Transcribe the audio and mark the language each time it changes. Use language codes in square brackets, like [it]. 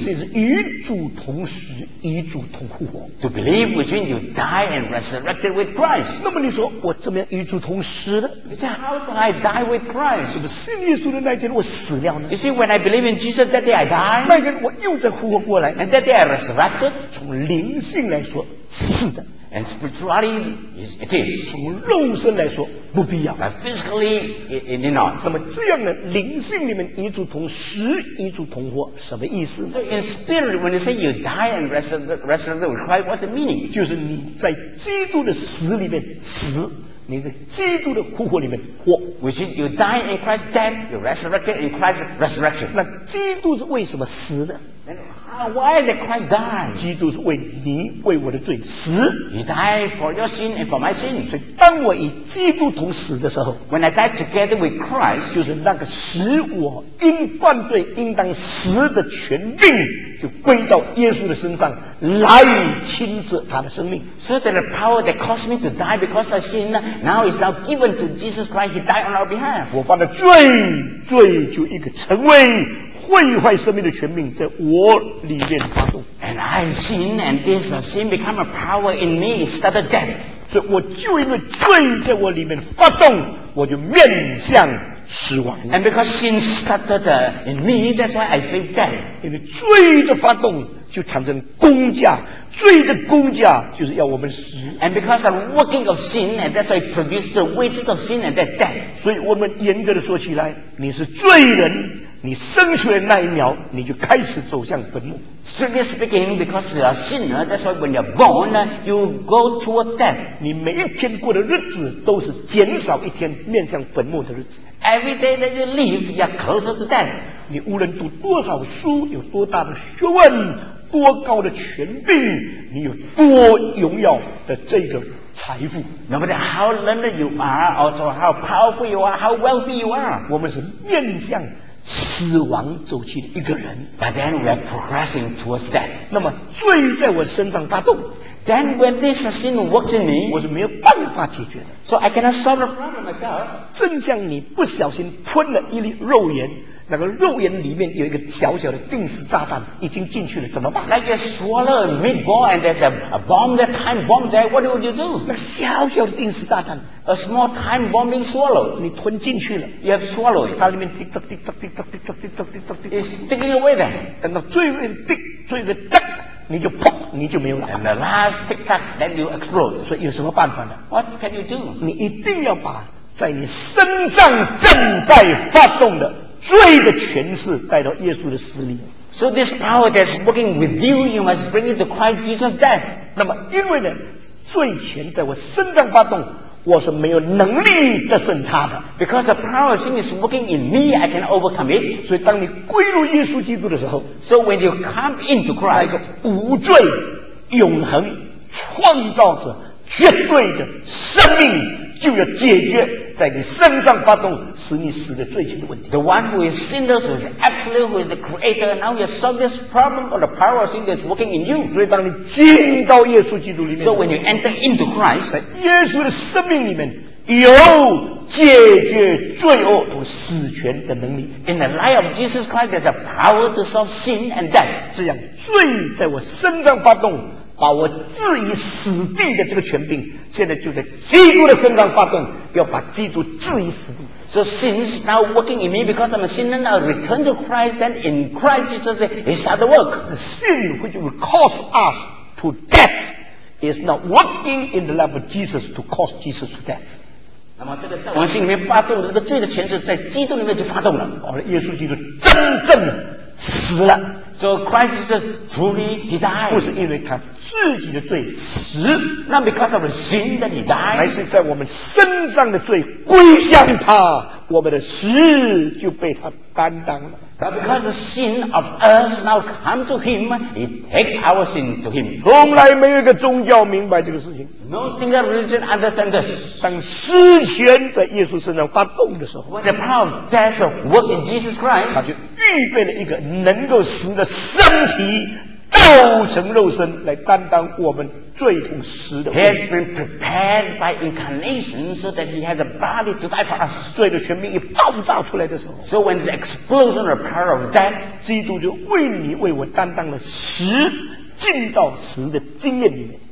[zh] 是与主同死，与主同复活。 [en] To believe, which means you die and resurrected with Christ. [zh] 那么你说我怎么样与主同死呢 [en] ？You say how can I die with Christ? [zh] 是不是信耶稣的那天我死了呢 [en] ？You see, when I believe in Jesus, that day I die. [zh] 那天我又再复活过来。 [en] And that day I resurrected. [zh] 从灵性来说，是的。 [en] And spirituality is it is. [zh] 从肉身来说不必要。 [en] But physically it is not. [zh] 那么这样的灵性里面与主同死与主同活什么意思 [en] ？So in spirit when you say you die and resurrect with Christ, what's the meaning? [zh] 就是你在基督的死里面死。你在基督的复活里面活 [en] ，which is you die in Christ's death, you resurrected in Christ's resurrection. [zh] 那基督是为什么死的 [en] ？Why did Christ die? [zh] 基督是为你为我的罪死。 [en] He died for your sin and for my sin. [zh] 所以当我与基督同死的时候 [en] ，when I die together with Christ， [zh] 就是那个使我因犯罪应当死的权柄就归到耶稣的身上。来亲自他的生命 [en] So that the power that caused me to die because of sin now is now given to Jesus Christ He died on our behalf [zh] 我犯了罪罪就一个成为毁坏生命的权柄在我里面发动 [en] And I sin and this sin become a power in me instead of death [zh] 所以我就因为罪在我里面发动我就面向死亡 [en] And because sin started in me that's why I face death [zh] 因为罪的发动就产生工价罪的工价就是要我们死 [en] and because of working of sin and that's why it produced the wages of sin and that death [zh] 所以我们严格的说起来你是罪人你生出来那一秒你就开始走向坟墓 [en] strictly speaking because you are a sinner that's why when you are born you go towards death [zh] 你每一天过的日子都是减少一天面向坟墓的日子 [en] every day that you live you are closer to death [zh] 你无论读多少书有多大的学问多高的权柄你有多荣耀的这个财富 [en] No matter how learned you are also how powerful you are how wealthy you are [zh] 我们是面向死亡走去的一个人 [en] But then we are progressing towards death [zh] 那么罪在我身上发动 [en] Then when this sin works in me [zh] 我是没有办法解决的 [en] So I cannot solve the problem myself [zh] 正像你不小心吞了一粒肉圆那个肉眼里面有一个小小的定时炸弹已经进去了，怎么办？那个 [en] swallow meat ball and there's a bomb that time bomb there. What would you do? [zh] 那个小小的定时炸弹 [en] ，a small time bombing swallow. [zh] 你吞进去了 [en] ，you have swallowed. [zh] 它里面滴答滴答滴答滴答滴答滴答滴答 [en] ，it's sticking away there. [zh] 等到最后滴，最后滴，你就砰，你就没有了。 [en] And the last tick tock, then you explode. [zh] 所以有什么办法呢 [en] ？What can you do? [zh] 你一定要把在你身上正在发动的罪的权势带到耶稣的死里。 [en] So this power that's working with you, you must bring it to Christ Jesus' death. [zh] 那么因为呢，罪权在我身上发动，我是没有能力战胜他的。 [en] Because the power sin is working in me, I can overcome it. [zh] 所以当你归入耶稣基督的时候 [en] ，So when you come into Christ, [zh] 那个无罪、永恒、创造者、绝对的生命。就要解决在你身上发动使你死的罪行的问题。 [en] The one who is sinless, who is actually who is the creator, now you solve this problem of the power of sin that's working in you. [zh] 所以当你进到耶稣基督里面 [en] ，So when you enter into Christ, [zh] 在耶稣的生命里面有解决罪恶和死权的能力。 [en] In the life of Jesus Christ, there's a power to solve sin and death. [zh] 这样罪在我身上发动。把我置于死地的这个权柄，现在就在基督的身上发动，要把基督置于死地。 [en] So sin is now working in me because I'm a sinner. Now return to Christ, then in Christ Jesus, He start the work. The sin which will cause us to death is now working in the life of Jesus to cause Jesus to death. [zh] 那么这个在我心里面发动的这个罪的权势，在基督里面就发动了。而耶稣基督真正死了 [en] ，So Christ Jesus truly He died， [zh] 不是因为他自己的罪死 [en] ，Not because of sin that He died， [zh] 乃是在我们身上的罪归向他，我们的死就被他担当了。 [en] But because the sin of us now come to Him, He take our sin to Him。 [zh] 从来没有一个宗教明白这个事情 [en] ，No single religion understand this。 [zh] 当死权在耶稣身上发动的时候 [en] ，When the power of death works in Jesus Christ， [zh] 他就预备了一个能够死的身体，道成肉身来担当我们罪同死的。 [en] He has been prepared by incarnation so that he has a body to die for us。 [zh] 罪的权柄一爆炸出来的时候 [en] ，So when the explosion of power of death， [zh] 基督就为你为我担当了死，进到死的经验里面。